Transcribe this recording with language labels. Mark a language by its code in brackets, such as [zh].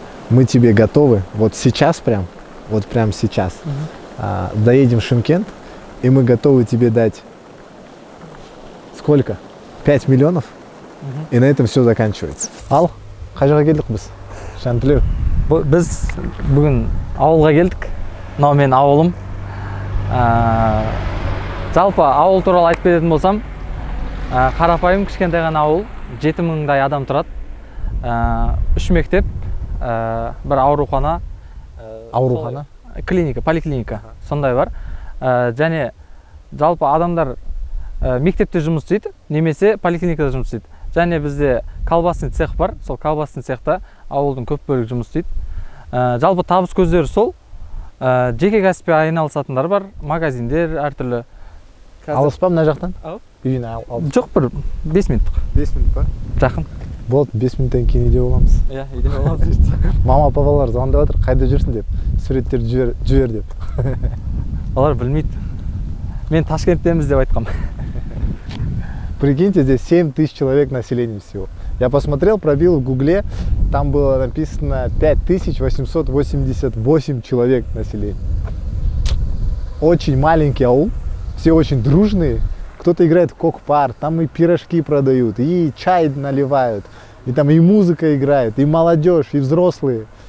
[ru] Мы тебе готовы, вот сейчас прям, вот прям сейчас, доедем в Шымкент, и мы готовы тебе дать сколько? 5 миллионов, и на этом все заканчивается. [kk] Ал, қай жаға келдік біз? Шантлю. Біз бүгін ауылға келдік, но мен ауылым. Жалпы ауыл туралы айтып кететін болсам, қарапайым кішкентай ғана ауыл, 7000-дай адам тұрады. Үш мектеп, бір аурухана. Аурухана? Клиника, поликлиника, сондай бар. Және жалпы адамдар мектепте жұмыс істейді, немесе поликлиникада жұмыс істейді. Және бізде колбасный цех бар, сол колбасный цехта ауылдың көп бөлігі жұмыс істейді. Жалпы табыс көздері сол, жеке кәсіппен айналысатындар бар, магазиндер әртүрлі. Алыс па мына жақтан? Жоқ, бір 5 минут. 5 минут па? Жақын. Болды, 5 минуттан кейін үйде боламыз. Иә, үйде боламыз дейді. Мама, папалар звондап отыр, қайда жүрсің деп, суреттерді жібер деп. Олар білмейді. Мен Ташкенттеміз деп айтқам. [ru] Прикиньте, здесь 7000 человек населения всего. Я посмотрел, пробил в Гугле, там было написано 5888 человек населения. Очень маленький аул, все очень дружные. Кто-то играет в кок-пар, там и пирожки продают, и чай наливают, и там и музыка играет, и молодежь, и взрослые.